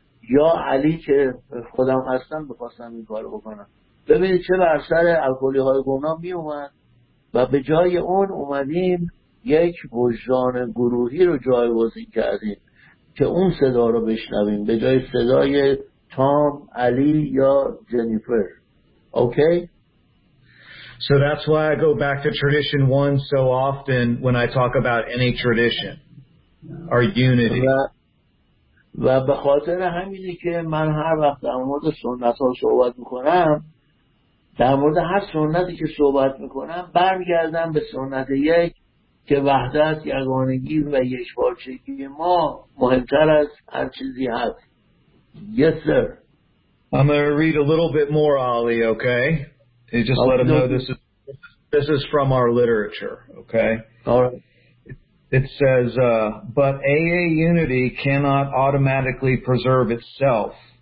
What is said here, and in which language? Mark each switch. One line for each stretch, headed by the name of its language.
Persian: یا علی که خودم هستم بخواستم این کار بکنم، ببینید چه بر سر الکلی های گمنام میومد و به جای اون اومدیم یک وجدان گروهی رو جایگزین کردیم که اون صدا رو بشنویم به جای صدای تام، علی یا جنیفر.
English: Okay. So that's why I go back to tradition one so often when I talk about any tradition, our unity.
Persian: و به خاطر همینی که من هر وقت در مورد سنت ها صحبت میکنم، در مورد هر سنتی که صحبت میکنم برمیگردم به سنت یک که وحدت، یگانگی و یک پارچگی ما مهمتر از هر چیزی هست.
English: Yes, sir. I'm going to read a little bit more, Ali, okay? You just let him know this is from our literature, okay? All right. It says, but AA unity cannot automatically preserve itself.